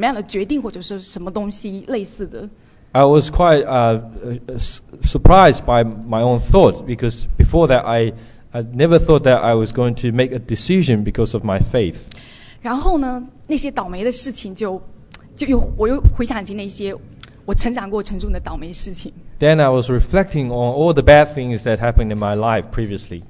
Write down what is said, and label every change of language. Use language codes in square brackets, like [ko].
[zh] 其实我自己也被自己这种想法吓了一跳，因为在那之前，我其实没有想过说我要为一个信仰做出一个什么样的决定，或者是什么东西类似的。 [en] I was quite surprised by my own thought because before that I never thought that I was going to make a decision because of my faith. [zh] 然后呢，那些倒霉的事情就我又回想起那些。 [en] Then I was reflecting on all the bad things that happened in my life previously.